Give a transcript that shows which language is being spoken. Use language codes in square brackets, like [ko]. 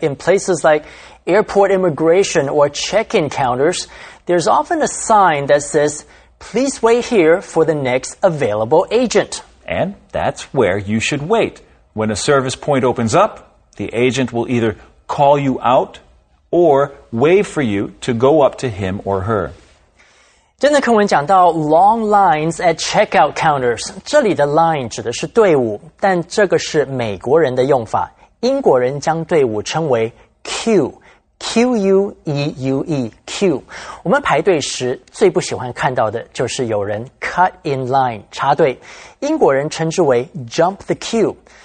[en] In places like airport immigration or check-in counters, there's often a sign that says, "Please wait here for the next available agent." And that's where you should wait. When a service point opens up, the agent will either call you out or wave for you to go up to him or her. [zh] 正在课文讲到 [en] long lines at checkout counters. [zh] 这里的 line 指的是队伍, 但这个是美国人的用法。英国人将队伍称为 queue, Q-U-E-U-E, queue. 我们排队时最不喜欢看到的就是有人 [en] cut in line, [zh] 插队。英国人称之为 [en] jump the queue。